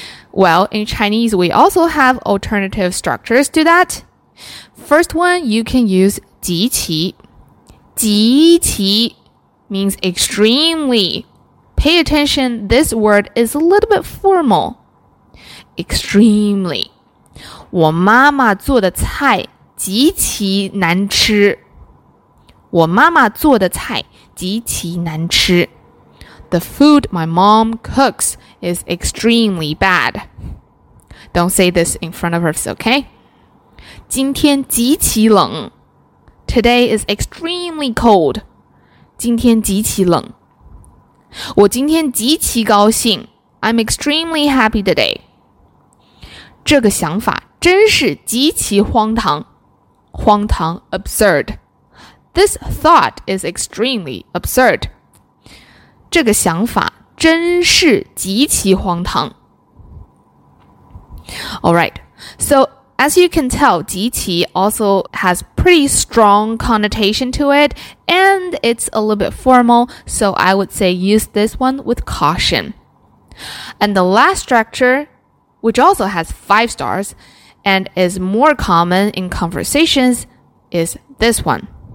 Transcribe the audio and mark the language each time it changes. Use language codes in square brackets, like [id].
[en] Well, in Chinese, we also have alternative structures to that. First one, you can use 极其.极其 means extremely. Pay attention, this word is a little bit formal. Extremely. [zh] 我妈妈做的菜极其难吃。我妈妈做的菜极其难吃。 [en] The food my mom cooks is extremely bad. Don't say this in front of her, okay? [zh] 今天极其冷。 [en] Today is extremely cold. [zh] 今天极其冷。我今天极其高兴。 [en] I'm extremely happy today. [zh] 这个想法真是极其荒唐。 [en] 荒唐, absurd. This thought is extremely absurd. [zh] 这个想法真是极其荒唐。 [en] Alright, so as you can tell, 极其 also has pretty strong connotation to it, and it's a little bit formal, so I would say use this one with caution. And the last structure, which also has 5 stars, and is more common in conversations, is this one.